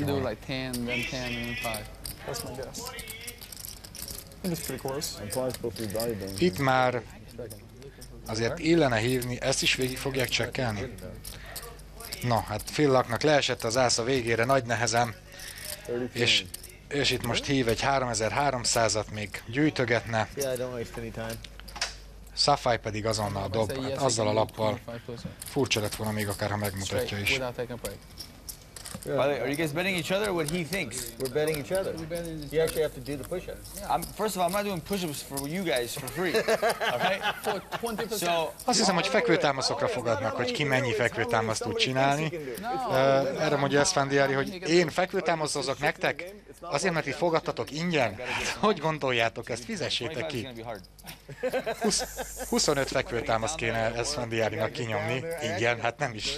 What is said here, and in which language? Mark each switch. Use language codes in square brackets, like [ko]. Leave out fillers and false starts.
[en] You can do like 10, then 10, and then 5. That's my guess. It's pretty close. [hu] Itt már azért illene hívni, ezt is végig fogják csekkelni. Na, hát Phil Lucknak leesett az ász a végére, nagy nehezen. És itt most hív egy 3300-at, még gyűjtögetne. Safai pedig azonnal dob, hát azzal a lappal. Furcsa lett volna még akár, ha megmutatja is. [en] By the way, are you guys betting each other or what he thinks? We're betting each other. We're betting each other. You actually have to do the push-ups. Yeah. First of all, I'm not doing push-ups for you guys for free. Okay? For 20%. So, [hu] azt hiszem, hogy fekvőtámaszokra fogadnak, hogy ki mennyi fekvőtámaszt tud csinálni. Erre mondja Esfandiári, hogy én fekvőtámaszozok nektek? Azért, mert itt fogadtatok ingyen? Hogy gondoljátok ezt? Fizessétek ki. 25 fekvőtámaszt kéne Esfandiárinak kinyomni. Ingyen? Hát nem is.